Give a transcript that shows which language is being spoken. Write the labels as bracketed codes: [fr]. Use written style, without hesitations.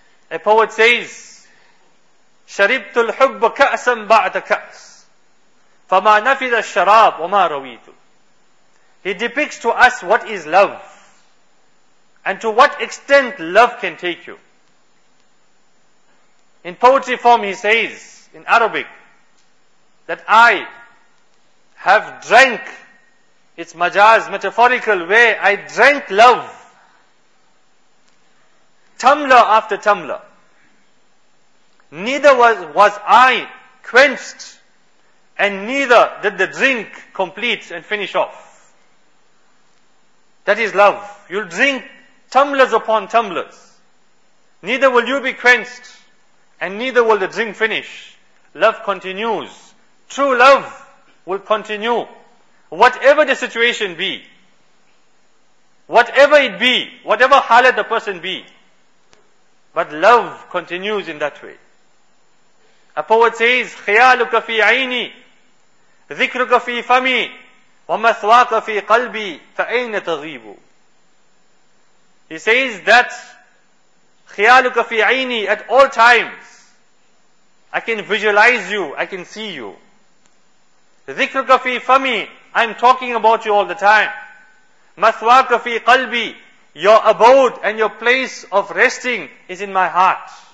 [ar] A poet says, شَرِبْتُ الْحُبَّ كَأْسًا بَعْدَ كَأْسٍ فَمَا نَفِذَ الشَّرَابُ وَمَا رَوِيتُ. [en] He depicts to us what is love and to what extent love can take you. In poetry form he says, in Arabic, that I have drank, it's majaz, metaphorical way, I drank love, tumbler after tumbler. Neither was I quenched, and neither did the drink complete and finish off. That is love. You'll drink tumblers upon tumblers. Neither will you be quenched, and neither will the drink finish. Love continues. True love will continue. Whatever the situation be, whatever it be, whatever halat the person be, but love continues in that way. [ar] A poet says, خيالك في عيني ذكرك في فمي ومثواك في قلبي فأين تغيب. [en] He says that [ar] خيالك في عيني, [en] at all times I can visualize you, I can see you. [ar] ذكرك في فمي, [en] I'm talking about you all the time. [ar] مثواك في قلبي, [en] your abode and your place of resting is in my heart.